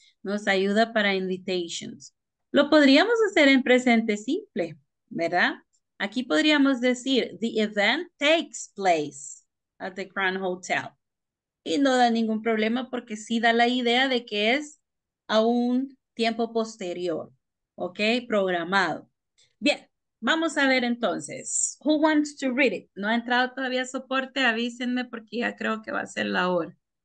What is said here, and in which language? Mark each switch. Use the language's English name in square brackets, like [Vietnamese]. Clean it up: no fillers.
[Spanish] Nos ayuda para invitations. Lo podríamos hacer en presente simple, ¿verdad? Aquí podríamos decir [English] the event takes place at the Grand Hotel. [Spanish] Y no da ningún problema porque sí da la idea de que es a un tiempo posterior, ¿ok? Programado. Bien. Vamos a ver entonces, [English] who wants to read it? [Spanish] No ha entrado todavía soporte, avísenme porque ya creo que va a ser la hora.